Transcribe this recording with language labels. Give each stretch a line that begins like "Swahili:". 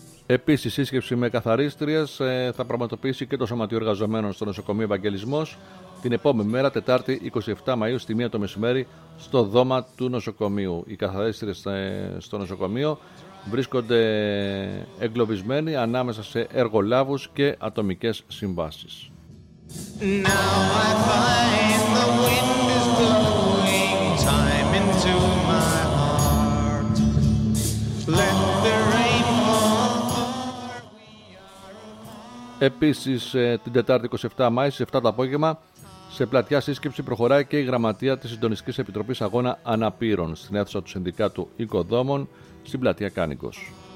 Greek: Επίσης, σύσκεψη με καθαρίστριες θα πραγματοποιήσει και το Σωματείο Εργαζομένων στο Νοσοκομείο Ευαγγελισμός την επόμενη μέρα, Τετάρτη 27 Μαΐου, στη 1 το μεσημέρι, στο δώμα του νοσοκομείου. Οι καθαρίστρες στο νοσοκομείο βρίσκονται εγκλωβισμένοι ανάμεσα σε εργολάβους και ατομικές συμβάσεις.
English: Now I find the wind is blowing time into my heart. Let the rain fall, for we are apart.
Greek: Επίσης, την Τετάρτη 27 Μάη στις 7 το απόγευμα, σε πλατιά σύσκεψη προχωράει και η γραμματεία της Συντονιστικής Επιτροπής Αγώνα Αναπήρων στην αίθουσα του Συνδικάτου Οικοδόμων στην πλατεία Κάνικος.